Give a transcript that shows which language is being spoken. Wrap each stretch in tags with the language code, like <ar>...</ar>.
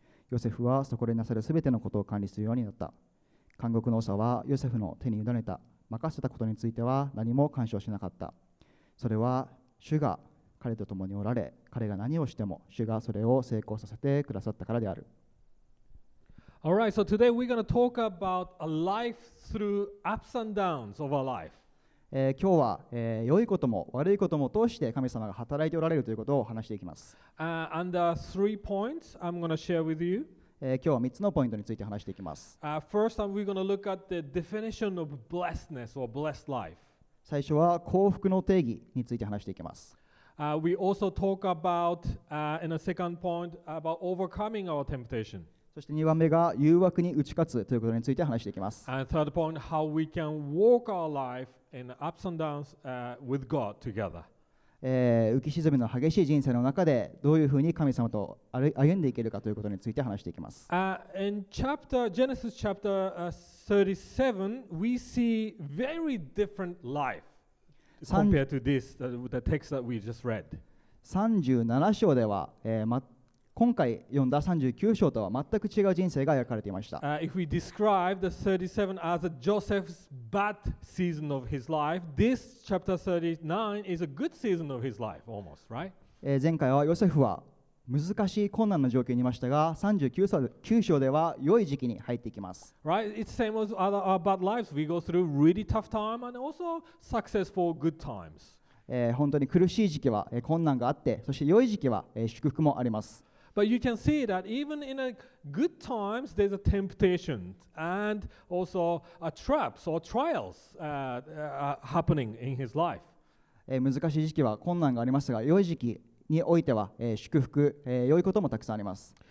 <ja>ヨセフはそこでなさるすべてのことを管理するようになった。監獄の長はヨセフの手に委ねた、任せたことについては何も干渉しなかった。それは主が彼と共におられ、彼が何をしても主がそれを成功させてくださったからである。</ja> <en>All right, so today we're going to talk about a life through ups and downs of our life.</en> <ja>今日は、良いことも悪いことも通して神様が働いておられるということを話していきます。</ja> <en>Under three points I'm going to share with you.</en> <ja>今日は3つのポイントについて話していきます。</ja> <en>First, we're going to look at the definition of blessedness or blessed life.</en> <ja>最初は幸福の定義について話していきます。</ja> <en>We also talk about, in a second point, about overcoming our temptation.</en> <ja>そして2番目が誘惑に打ち勝つということについて話していきます。</ja> <en>And third point, how we can walk our life in ups and downs, with God together.</en> <ja>浮き沈みの激しい人生の中でどういうふうに神様と歩んでいけるかということについて話していきます。</ja> <en>In chapter, Genesis chapter 37, we see very different life compared to this, the text that we just read.</en> <ja>37章では、今回読んだ39章とは全く違う人生が描かれていました。</ja> <en>If we describe the 37 as a Joseph's bad season of his life, this chapter 39 is a good season of his life, almost, right?</en> <ja>前回はヨセフは難しい困難な状況にいましたが、39章では良い時期に入っていきます。</ja> <en>Right? It's same as other bad lives. We go through really tough time and also successful good times.</en> <ja>本当に苦しい時期は困難があって、そして良い時期は祝福もあります。</ja> <en>But you can see that even in a good times, there's a temptation and also a traps or trials happening in his life.</en> <ja>難しい時期は困難がありますが、良い時期においては祝福、良いこともたくさんあります。</ja>